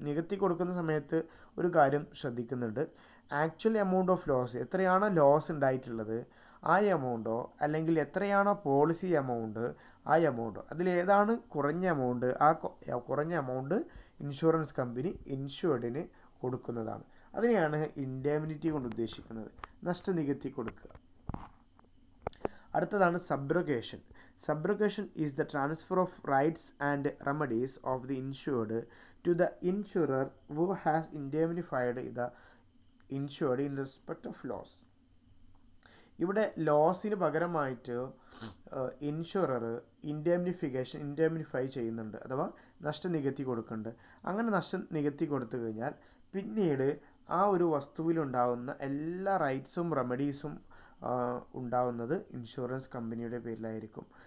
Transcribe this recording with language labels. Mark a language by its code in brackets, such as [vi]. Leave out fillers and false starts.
[ml] നികത്തി കൊടുക്കുന്ന സമയത്ത് ഒരു കാര്യം ശ്രദ്ധിക്കുന്നുണ്ട്, ആക്ച്വൽ എമൗണ്ട് ഓഫ് ലോസ് എത്രയാണോ ലോസ് ഉണ്ടായിട്ടുള്ളത് ആ എമൗണ്ടോ, അല്ലെങ്കിൽ എത്രയാണോ പോളിസി എമൗണ്ട് ആ എമൗണ്ടോ, അതിലേതാണ് കുറഞ്ഞ എമൗണ്ട് ആ കുറഞ്ഞ എമൗണ്ട് ഇൻഷുറൻസ് കമ്പനി ഇൻഷുർഡിന് കൊടുക്കുന്നതാണ്. അതിനെയാണ് ഇൻഡെമ്നിറ്റി കൊണ്ട് ഉദ്ദേശിക്കുന്നത്, നഷ്ട നികത്തി കൊടുക്കുക. അടുത്തതാണ് സബ്രഗേഷൻ. [en] Subrogation is the transfer of rights and remedies of the insured to the insurer who has indemnified the insured in respect of loss. [ml] ഇവിടെ ലോസിന് പകരമായിട്ട് ഇൻഷുറർ ഇൻഡെമ്നിഫിക്കേഷൻ ഇൻഡെമ്നിഫൈ ചെയ്യുന്നുണ്ട്, അഥവാ നഷ്ടം നികത്തി കൊടുക്കുന്നുണ്ട്. അങ്ങനെ നഷ്ടം നികത്തി കൊടുത്തു കഴിഞ്ഞാൽ പിന്നീട് ആ ഒരു വസ്തുവിലുണ്ടാകുന്ന എല്ലാ റൈറ്റ്സും റെമഡീസും ഉണ്ടാവുന്നത് ഇൻഷുറൻസ് കമ്പനിയുടെ പേരിലായിരിക്കും.